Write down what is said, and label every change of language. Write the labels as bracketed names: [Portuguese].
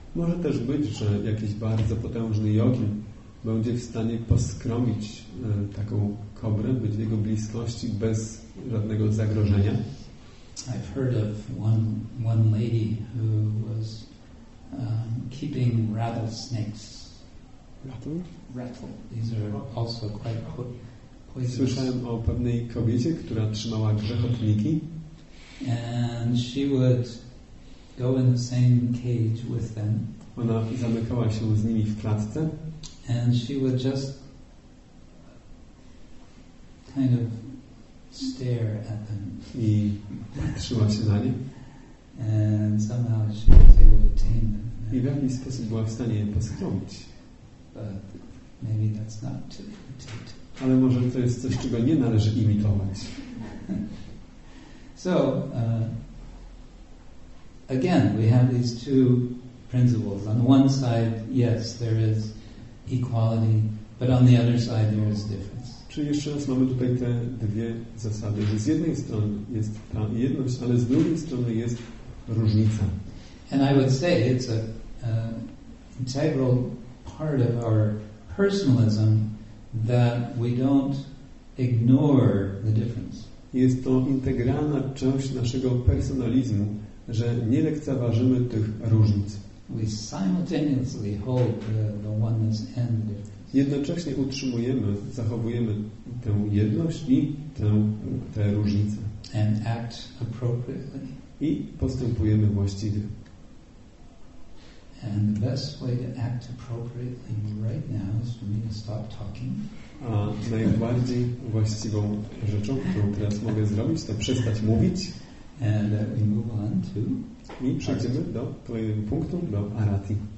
[Polish] Może też być, że jakiś bardzo potężny jogin będzie w stanie poskromić taką kobrę, być w jego bliskości bez żadnego zagrożenia. [English] I've heard of one lady who was keeping rattlesnakes. Rattle? These are also quite poisonous. [Polish] Słyszałem o pewnej kobiecie, która trzymała grzechotniki. [English] And she would go in the same cage with them. [Polish] Ona zamykała się z nimi w klatce. [English] And she would just kind of stare at them. [Polish] I patrzyła się na nie. [English] And somehow she was able to tame them. [Polish] I w jakiś sposób była w stanie je poskromić. [English] But maybe that's not to imitate. [Polish] Ale może to jest coś, czego nie należy imitować. [English] So, again, we have these two principles. On one side, yes, there is equality, but on the other side, there is difference. [Polish] Czyli jeszcze raz mamy tutaj te dwie zasady, że z jednej strony jest ta jedność, ale z drugiej strony jest różnica. [English] And I would say it's an integral part of our personalism that we don't ignore the difference. [Polish] Jest to integralna część naszego personalizmu, że nie lekceważymy tych różnic. [English] We simultaneously hold the oneness and the difference. [Polish] Jednocześnie utrzymujemy, zachowujemy tę jedność i tę różnicę. [English] And act appropriately. [Polish] I postępujemy właściwie. [English] And the best way to act appropriately right now is for me to stop talking. [Polish] A najbardziej właściwą rzeczą, którą teraz mogę zrobić, to przestać mówić. [English] And that we move on to. [Polish] I przejdziemy do kolejnego punktu, do arati.